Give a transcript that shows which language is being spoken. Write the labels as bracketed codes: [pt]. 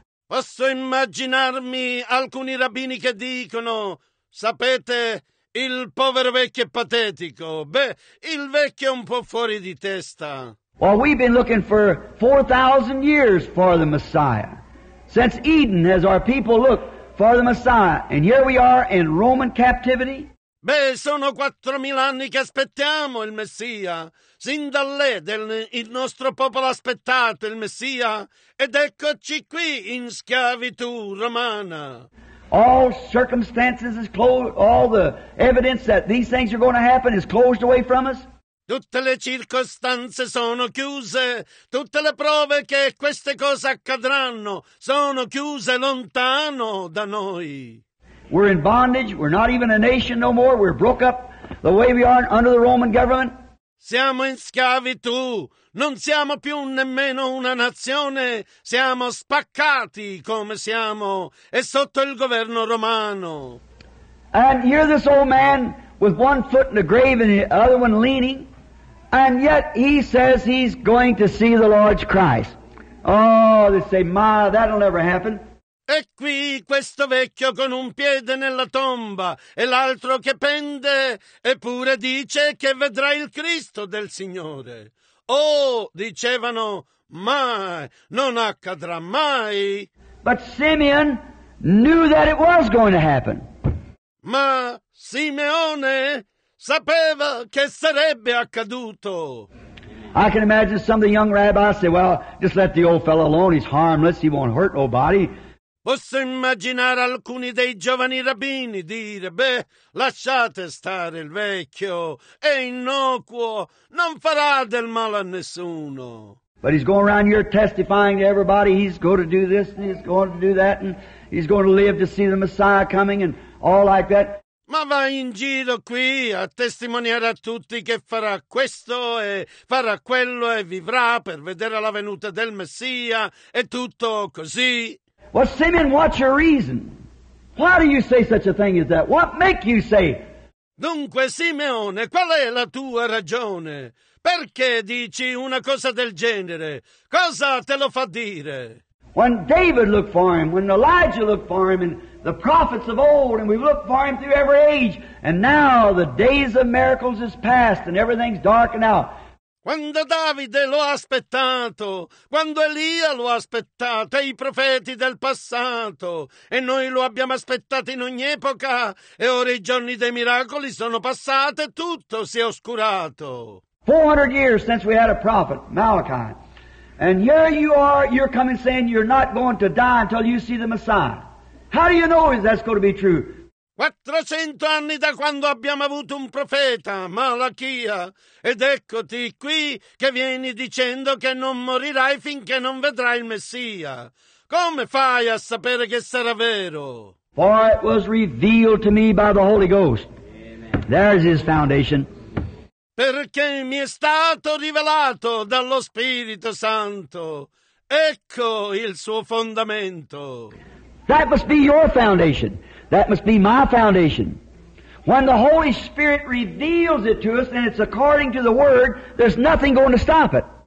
[it] Posso immaginarmi alcuni rabbini che dicono, sapete, il povero vecchio è patetico. Beh, il vecchio è un po' fuori di testa. [en] Well, we've been looking for 4,000 years for the Messiah. Since Eden has our people looked for the Messiah. And here we are in Roman captivity. [it] Beh, sono 4,000 anni che aspettiamo il Messia. Sin dall'Eden il nostro popolo ha aspettato il Messia. Ed eccoci qui in schiavitù romana. [en] All circumstances is closed. All the evidence that these things are going to happen is closed away from us. [it] Tutte le circostanze sono chiuse, tutte le prove che queste cose accadranno sono chiuse lontano da noi. [en] We're in bondage, we're not even a nation no more, we're broke up the way we are under the Roman government. [it] Siamo in schiavitù, non siamo più nemmeno una nazione, siamo spaccati come siamo e sotto il governo romano. [en] And here this old man with one foot in the grave and the other one leaning. And yet he says he's going to see the Lord's Christ. Oh, they say, ma, that'll never happen. [it] E qui questo vecchio con un piede nella tomba e l'altro che pende eppure dice che vedrà il Cristo del Signore. Oh, dicevano, mai, non accadrà mai. [en] But Simeon knew that it was going to happen. [it] Ma Simeone... sapeva che sarebbe accaduto. [en] I can imagine some of the young rabbis say, well, just let the old fellow alone, he's harmless, he won't hurt nobody. [it] Posso immaginare alcuni dei giovani rabbini dire, beh, lasciate stare il vecchio, è innocuo, non farà del male a nessuno. [en] But he's going around here testifying to everybody, he's going to do this and he's going to do that and he's going to live to see the Messiah coming and all like that. [it] Ma va in giro qui a testimoniare a tutti che farà questo e farà quello e vivrà per vedere la venuta del Messia e tutto così. [en] Well, Simeon, what's your reason? Why do you say such a thing as that? What make you say? [it] Dunque, Simeone, qual è la tua ragione? Perché dici una cosa del genere? Cosa te lo fa dire? [en] When David looked for him, when Elijah looked for him, and the prophets of old, and we've looked for him through every age, and now the days of miracles is past, and everything's dark now. [it] Quando Davide lo ha aspettato, quando Elia lo ha aspettato e i profeti del passato, e noi lo abbiamo aspettato in ogni epoca, e ora i giorni dei miracoli sono passati e tutto si è oscurato. [en] 400 years since we had a prophet, Malachi, and here you are, you're coming saying you're not going to die until you see the Messiah. How do you know if that's going to be true? [it] 400 anni da quando abbiamo avuto un profeta, Malachia, ed eccoti qui che vieni dicendo che non morirai finché non vedrai il Messia. Come fai a sapere che sarà vero? [en] For it was revealed to me by the Holy Ghost. Amen. There's his foundation. [it] Perché mi è stato rivelato dallo Spirito Santo. Ecco il suo fondamento. [en] That must be your foundation. That must be my foundation. When the Holy Spirit reveals it to us and it's according to the Word, there's nothing going to stop it.